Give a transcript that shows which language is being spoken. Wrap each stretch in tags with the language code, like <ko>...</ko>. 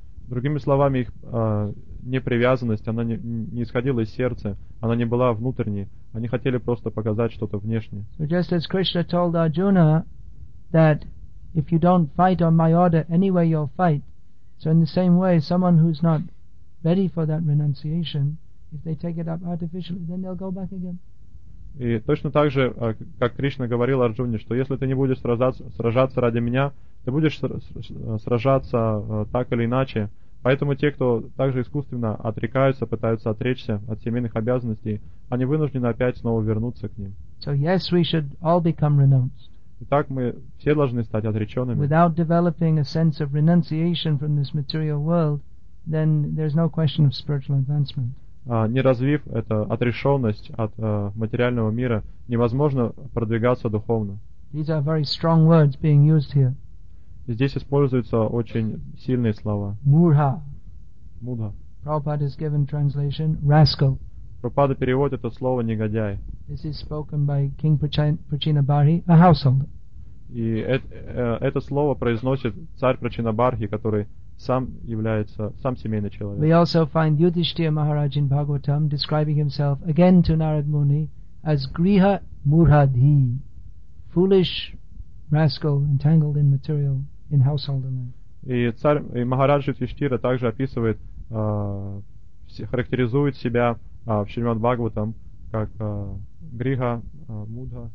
<ru>Другими словами, их непривязанность, она не исходила из сердца, она не была внутренней, они хотели просто показать что-то внешнее.</ru> <en>So just as Krishna told Arjuna that if you don't fight on my order, anyway you'll fight, so in the same way, someone who's not ready for that renunciation, if they take it up artificially, then they'll go back again.</en> <ru>И точно так же, как Кришна говорил Арджуне, что если ты не будешь сражаться ради меня, ты будешь сражаться так или иначе. Поэтому те, кто также искусственно отрекаются, пытаются отречься от семейных обязанностей, они вынуждены опять снова вернуться к ним.</ru> <en>So yes, we should all become renounced.</en> <ru>Итак, мы все должны стать отреченными.</ru> <en>Without developing a sense of renunciation from this material world, then there's no question of spiritual advancement.</en> <ru>Не развив эту отрешенность от материального мира, невозможно продвигаться духовно.</ru> <en>These are very strong words being used here.</en> <ru>Здесь используются очень сильные слова.</ru> <sa>Мурха. Мурха.</sa> <en>Prabhupada has given translation rascal.</en> <ru>Прабхупада переводит это слово негодяй.</ru> <en>This is spoken by King Prachinabarhi, a householder.</en> <ru>И это слово произносит царь Прачинабархи, который сам является сам семейный человек.</ru> <en>We also find Yudhishthira Maharaj in Bhagavatam describing himself again to Narad Muni as Griha Murhadhi, foolish rascal entangled in material, in householder life.</en> <ru>И царь Махараджа Юдхиштхира также описывает, характеризует себя в Шримад Бхагаватам как Гриха Мудха.</ru>